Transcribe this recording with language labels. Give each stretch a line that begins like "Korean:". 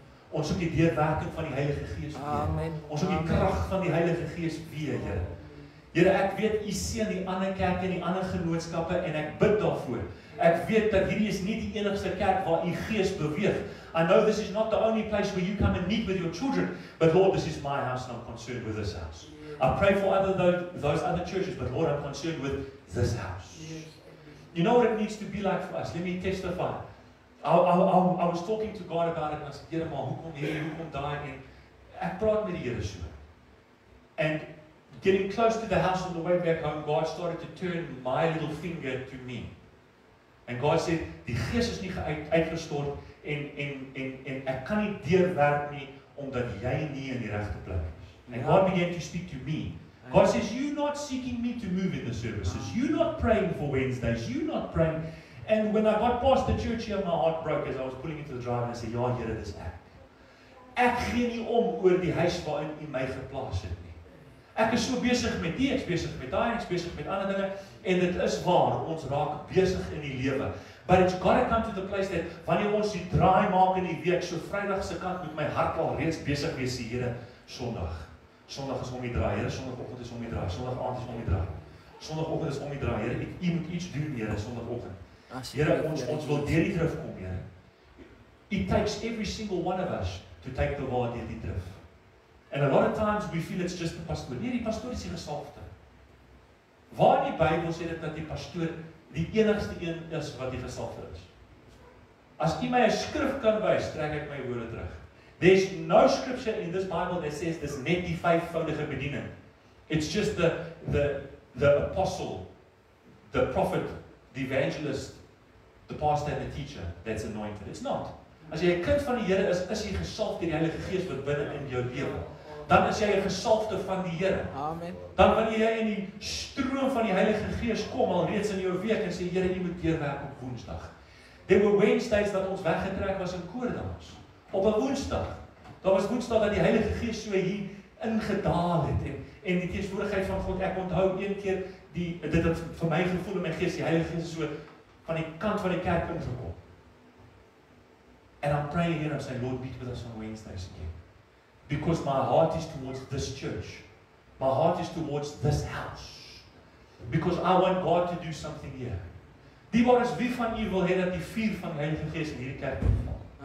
Afrikaans: Ons soek die deurwerking van die Heilige Gees weer. Amen. Ons soek die krag van die Heilige Gees weer, Here. Here, ek weet u seën die ander kerke en die ander genootskappe en ek bid daarvoor. Ek weet dat hierdie is nie die enigste kerk waar u Gees beweeg.
English: I know this is not the only place where you come and meet with your children, but Lord, this is my house and I'm concerned with this house. I pray for those other churches, but Lord, I'm concerned with this house. You know what it needs to be like for us? Let me testify. I was talking to God about it and I said,
Afrikaans: Here, maar hoekom hier, hoekom daar? En ek praat met die Here so.
English: And getting close to the house on the way back home, God started to turn my little finger to me. And God said,
Afrikaans: die Gees is nie uitgestort en ek kan nie deurwerk nie omdat jy nie in die regte plek is.
English: And God began to speak to me. God says, you're not seeking me to move in the services. You're not praying for Wednesdays. You're not praying. And when I got past the church here, my heart broke as I was pulling into the drive and I said,
Afrikaans: ja, Here, dis ek. Ek gee nie om oor die huis waarin u my geplaas het nie. Ek is so besig met die, ek is besig met daai, ek is besig met ander dinge. En dit is waar, ons raak besig in die lewe.
English: But it's got to come to the place that
Afrikaans: wanneer ons die draai maak in die week, so Vrydag se kant moet my hart al reeds besig wees, die Here, Sondag. Sondag is om die draai, Here, Sondagoggend is om die draai, Sondagaand is om die draai. Sondagoggend is om die draai, Here, u moet iets doen, Here, Sondagoggend. Here, ons wil deur die drif kom, Here.
English: It takes every single one of us to take the word
Afrikaans: deur die drif.
English: And a lot of times we feel it's just the pastor.
Afrikaans: Nee, die pastoor is die gesalfde. Waar in die Bybel sê dit dat die pastoor die enigste een is wat die gesalfde is? As u my 'n skrif kan wys, trek ek my woorde terug.
English: There's no scripture in this Bible that says this
Afrikaans: net die vyfvoudige bediening.
English: It's just the apostle, the prophet, the evangelist, the pastor and the teacher that's anointed. It's not.
Afrikaans: As jy 'n kind van die Here is, is jy gesalf deur die Heilige Gees wat binne in jou lewe. Dan is jy 'n gesalfde van die Here. Amen. Dan wanneer jy in die stroom van die Heilige Gees kom alreeds in jou week en sê Here, U moet deurwerk op Woensdag.
English: There were Wednesdays
Afrikaans: dat ons weggetrek was in koordans. Op 'n Woensdag. Daar was Woensdag dat die Heilige Gees so hier ingedaal het en die teenwoordigheid van God. Ek onthou een keer dit het vir my gevoel in my gees die Heilige Gees so van die kant van die kerk kom gekom.
English: And I'm praying here and say, Lord, meet with us on Wednesdays again. Because my heart is towards this church. My heart is towards this house. Because I want God to do something here.
Afrikaans: Die waar is wie van u wil hê dat die vuur van die Heilige Gees in hierdie kerk moet val?